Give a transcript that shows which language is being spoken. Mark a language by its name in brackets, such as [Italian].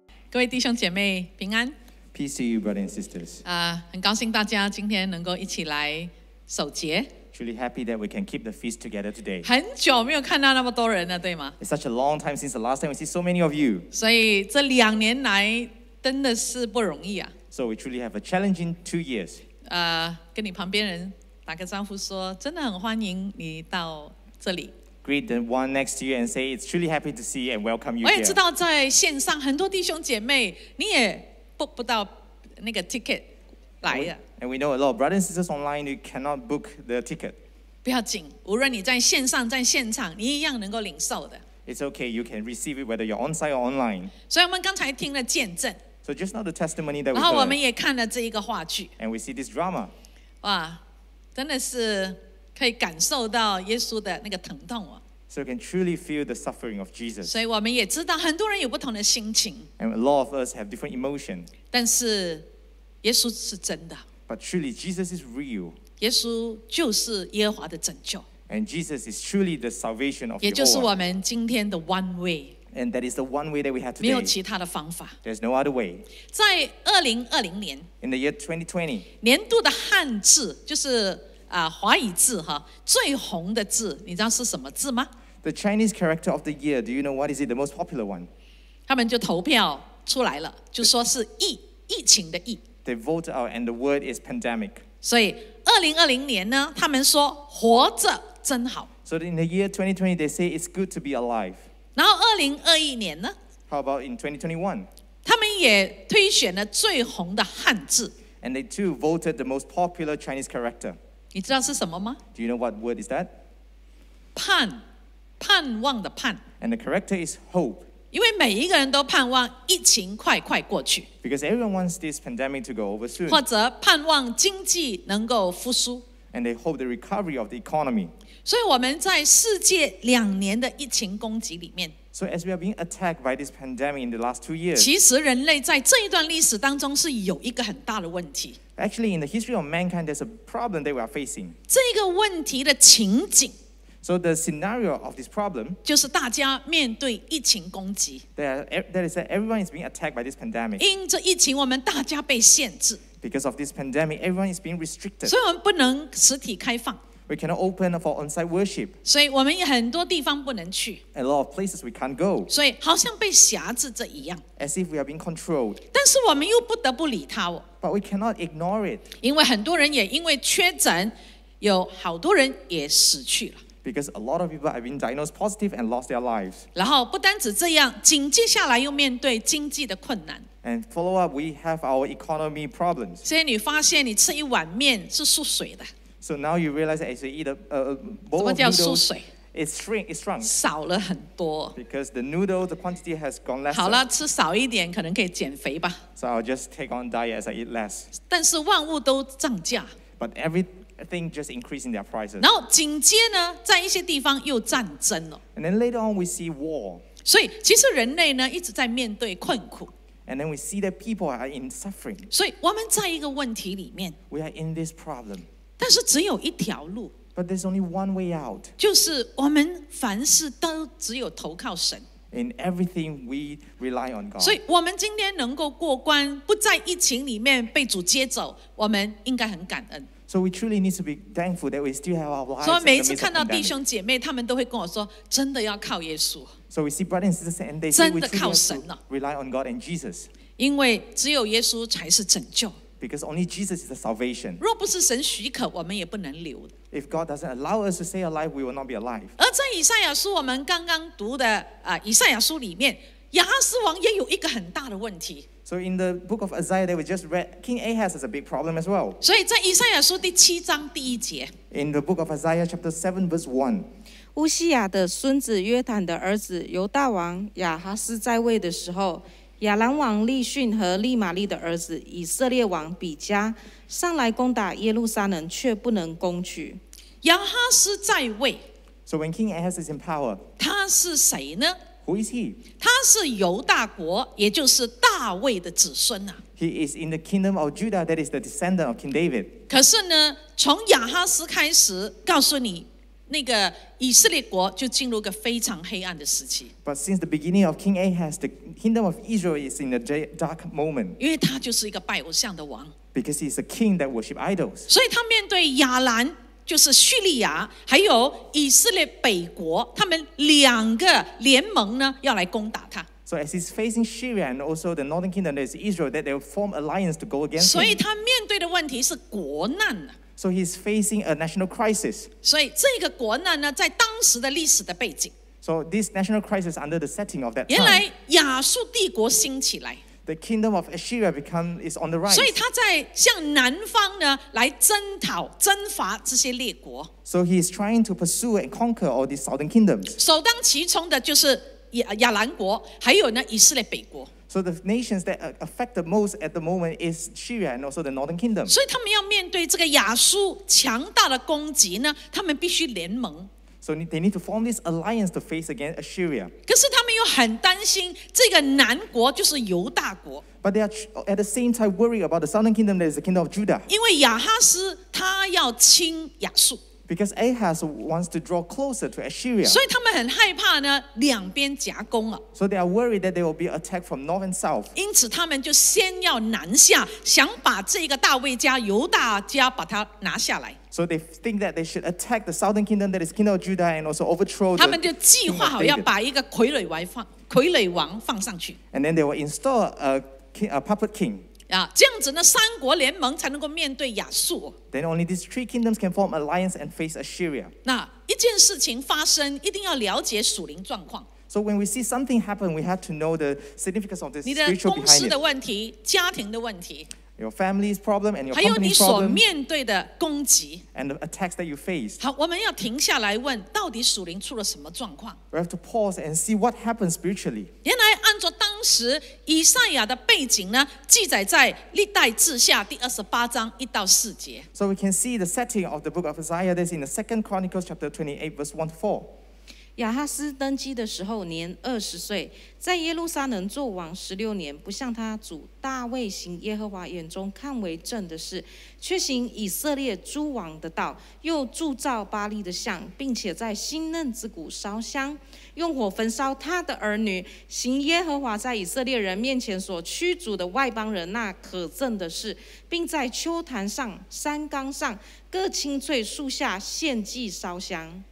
[Chinese] 各位弟兄姐妹平安 [English] ，Peace to you, brothers and sisters。 [Chinese] 很高兴大家今天能够一起来守节。 [English] Truly happy that we can keep the feast together today。 [Chinese] 很久没有看到那么多人了，对吗 [English] ？It's such a long time since the last time we see so many of you。 [Chinese] 所以这两年来真的是不容易啊。 [English] So we truly have a challenging 2 years。 [Chinese] 跟你旁边人打个招呼说，真的很欢迎你到这里。 [English] Greet the one next to you and say it's truly happy to see and welcome you. [Chinese] 我也知道在线上很多弟兄姐妹，你也 book 不到那个 ticket 来的。 [English] And we know a lot of brothers and sisters online, you cannot book the ticket. [Chinese] 不要紧，无论你在线上在现场，你一样能够领受的。 [English] It's okay, you can receive it whether you're on site or online. [Chinese] 所以我们刚才听了见证。 [English] So just now the testimony that we. [Chinese] 然后我们也看了这一个话剧。 [English] And we see this drama. [Chinese] 哇，真的是。可以感受到耶稣的那个疼痛哦。 [English] So you can truly feel the suffering of Jesus. [Chinese] 所以我们也知道很多人有不同的心情。 [English] And a lot of us have different emotion. [Chinese] 但是耶稣是真的。 [English] But truly, Jesus is real. [Chinese] 耶稣就是耶和华的拯救。 [English] And Jesus is truly the salvation of [Chinese] Jehovah. 也就是我们今天的 [English] one way. And that is the one way that we have today. [Chinese] 没有其他的方法。 [English] There's no other way. [Chinese] 在2020年。 [English] In the year 2020. [Chinese] 年度的汉字就是华语字哈最红的字，你知道是什么字吗？ [English] The Chinese character of the year. Do you know what is it the most popular one? [Chinese] 他们就投票出来了，就说是疫情的疫。 [English] They voted out, and the word is pandemic. [Chinese] 所以2020年呢，他们说活着真好。 [English] So in the year 2020, they say it's good to be alive. [Chinese] 然后2021年呢？ [English] How about in 2021? [Chinese] 他们也推选了最红的汉字。 [English] And they too voted the most popular Chinese character. [Chinese] 你知道是什么吗？ [English] Do you know what word is that? [Chinese] 盼，盼望的盼。 [English] And the character is hope. [Chinese] 因为每一个人都盼望疫情快快过去。 [English] Because everyone wants this pandemic to go over soon. [Chinese] 或者盼望经济能够复苏。 [English] And they hope the recovery of the economy. [Chinese] 所以我们在世界两年的疫情攻击里面。 [English] So as we are being attacked by this pandemic in the last 2 years. [Chinese] 其实人类在这一段历史当中是有一个很大的问题。 [English] Actually, in the history of mankind, there's a problem that we are facing. [Chinese] 这个问题的情景。 [English] So the scenario of this problem [Chinese] 就是大家面对疫情攻击。 [English] That is that everyone is being attacked by this pandemic. [Chinese] 因这疫情，我们大家被限制。 [English] Because of this pandemic, everyone is being restricted. [Chinese] 所以我们不能实体开放。 [English] We cannot open for on-site worship. [Chinese] 所以我们很多地方不能去。 [English] A lot of places we can't go. [Chinese] 所以好像被辖制着一样。 [English] As if we are being controlled. [Chinese] 但是我们又不得不理它。 [English] But we cannot ignore it. [Chinese] 因为很多人也因为确诊，有好多人也死去了。 [English] Because a lot of people have been diagnosed positive and lost their lives. [Chinese] 然后不单止这样，紧接下来又面对经济的困难。 [English] And follow up, we have our economy problems. [Chinese] 所以你发现你吃一碗面是缩水的。 [English] So now you realize that as you eat a bowl of [Chinese] noodles, 怎么叫缩水？ [English] It's shrunk. [Chinese] 少了很多。 [English] Because the noodle, the quantity has gone less. [Chinese] 好了，吃少一点可能可以减肥吧。 [English] So I'll just take on diet as I eat less. [Chinese] 但是万物都涨价。 [English] But everything just increasing their prices. [Chinese] 然后紧接呢，在一些地方又战争了。 [English] And then later on, we see war. [Chinese] 所以其实人类呢一直在面对困苦。 [English] And then we see that people are in suffering. [Chinese] 所以我们在一个问题里面。 [English] We are in this problem. [Chinese] 但是只有一条路。 [English] But there's only one way out. [Chinese] 就是我们凡事都只有投靠神。 [English] In everything, we rely on God. [Chinese] 所以我们今天能够过关，不在疫情里面被主接走，我们应该很感恩。 [English] So we truly need to be thankful that we still have our lives. [Chinese] 所以每一次看到弟兄姐妹，他们都会跟我说：“真的要靠耶稣。” [English] So we see brothers and sisters, and they say we truly have to rely on God and Jesus. [Chinese] 因为只有耶稣才是拯救。 [English] Because only Jesus is the salvation. [Chinese] 若不是神许可，我们也不能留。 [English] If God doesn't allow us to stay alive, we will not be alive. [Chinese] 而在以赛亚书，我们刚刚读的以赛亚书里面，亚哈斯王也有一个很大的问题。 [English] So in the book of Isaiah, that we just read, King Ahaz has a big problem as well. [Chinese] 所以在以赛亚书第七章第一节。 [English] In the book of Isaiah, chapter 7, verse 1. [Chinese] 乌西亚的孙子约坦的儿子犹大王亚哈斯在位的时候，亚兰王利逊和利玛利的儿子以色列王比加上来攻打耶路撒冷，却不能攻取。亚哈斯在位。 [English] So when King Ahaz is in power, [Chinese] 他是谁呢？ [English] Who is he? [Chinese] 他是犹大国，也就是大卫的子孙啊。 [English] He is in the kingdom of Judah, that is the descendant of King David. [Chinese] 可是呢，从亚哈斯开始，告诉你，那个以色列国就进入个非常黑暗的时期。 [English] But since the beginning of King Ahaz, the kingdom of Israel is in a dark moment. [Chinese] 因为他就是一个拜偶像的王。 [English] Because he is a king that worship idols. [Chinese] 所以他面对亚兰。就是叙利亚还有以色列北国，他们两个联盟呢，要来攻打他。 [English] So as he's facing Syria and also the northern kingdom, there's Israel that they'll form alliance to go against. [Chinese] 所以他面对的问题是国难。 [English] So he's facing a national crisis. [Chinese] 所以这个国难呢，在当时的历史的背景。 [English] So this national crisis under the setting of that time. [Chinese] 原来亚述帝国兴起来。 [English] The kingdom of Assyria is on the rise. [Chinese] 所以他在向南方呢来征讨、征伐这些列国。 [English] So he is trying to pursue and conquer all these southern kingdoms. [Chinese] 首当其冲的就是亚兰国，还有呢以色列北国。 [English] So the nations that affect the most at the moment is Syria and also the northern kingdom. [Chinese] 所以他们要面对这个亚述强大的攻击呢，他们必须联盟。 [English] So they need to form this alliance to face against Assyria. [Chinese] 可是他们又很担心这个南国就是犹大国。 [English] But they are at the same time worried about the southern kingdom that is the kingdom of Judah. [Chinese] 因为亚哈斯他要亲亚述。 [English] Because Ahaz wants to draw closer to Assyria. [Chinese] 所以他们很害怕呢，两边夹攻了。 [English] So they are worried that there will be attack from north and south. [Chinese] 因此他们就先要南下，想把这个大卫家、犹大家把它拿下来。 [English] So they think that they should attack the southern kingdom, that is kingdom of Judah, and also overthrow. [Chinese] 他们就计划好要把一个傀儡王放傀儡王放上去。 [English] And then they will install a puppet king. [Chinese] 啊，这样子呢，三国联盟才能够面对亚述。 [English] Then only these three kingdoms can form alliance and face Assyria. [Chinese] 那一件事情发生，一定要了解属灵状况。 [English] So when we see something happen, we have to know the significance of this spiritual behind it. [Chinese] 你的公司的问题，家庭的问题。 [English] Your family's problem and your [Chinese] 还有你所面对的攻击。 [English] And the attacks that you face. [Chinese] 好，我们要停下来问，到底属灵出了什么状况？ [English] We have to pause and see what happened spiritually. [Chinese] 原来按照当时以赛亚的背景呢，记载在历代志下第二十八章一到四节。 [English] So we can see the setting of the book of Isaiah. That's in the Second Chronicles chapter 28, verse 1-4. [Chinese] 亚哈斯登基的时候年二十岁，在耶路撒冷作王十六年，不像他主大卫行耶和华眼中看为正的事，却行以色列诸王的道，又铸造巴利的像，并且在新嫩之谷烧香，用火焚烧他的儿女，行耶和华在以色列人面前所驱逐的外邦人那可憎的事，并在丘坛上、山冈上、各青翠树下献祭烧香。